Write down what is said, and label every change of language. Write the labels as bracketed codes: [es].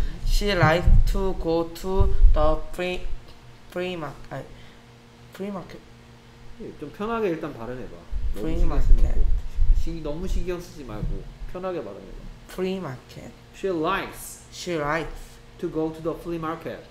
[en] She likes to go to the free market. [ko] 좀 편하게 일단 발음해봐. [en] Free market. [ko] 너무 신경 쓰지 말고 편하게 발음해봐. [en] Free market. She likes to go to the free market.